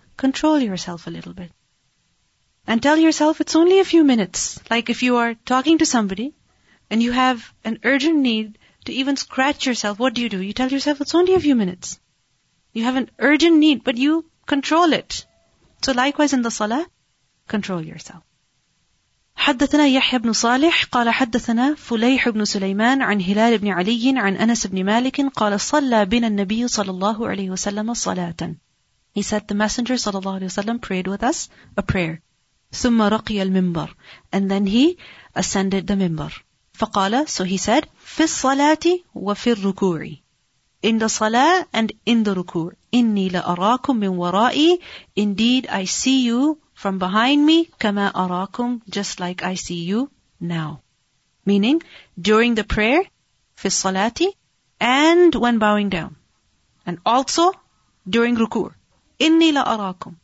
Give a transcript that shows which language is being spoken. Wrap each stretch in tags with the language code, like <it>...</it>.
<en>Control yourself a little bit. And tell yourself it's only a few minutes. Like if you are talking to somebody and you have an urgent need to even scratch yourself, what do? You tell yourself it's only a few minutes. You have an urgent need, but you control it. So likewise in the salah, control yourself.</en> <ar>حدثنا يحيى بن صالح قال حدثنا فليح بن سليمان عن هلال بن علي عن أنس بن مالك قال صلى بنا النبي صلى الله عليه وسلم صلاة.</ar> <en>He said the messenger</en> <ar>صلى الله عليه وسلم</ar> <en>prayed with us a prayer.</en> <ar>ثم رقي المنبر.</ar> <en>And then he ascended the minbar.</en> <ar>فقال,</ar> <en>so he said,</en> <ar>في الصلاة وفي الركوع.</ar> <en>In the salah and in the ruku'.</en> <ar>إني لأراكم من ورائي.</ar> <en>Indeed I see you from behind me,</en> <ar>kama arakum,</ar> <en>just like I see you now. Meaning, during the prayer,</en> <ar>fi salati,</ar> <en>and when bowing down. And also, during rukur.</en> <ar>Inni la arakum.</ar>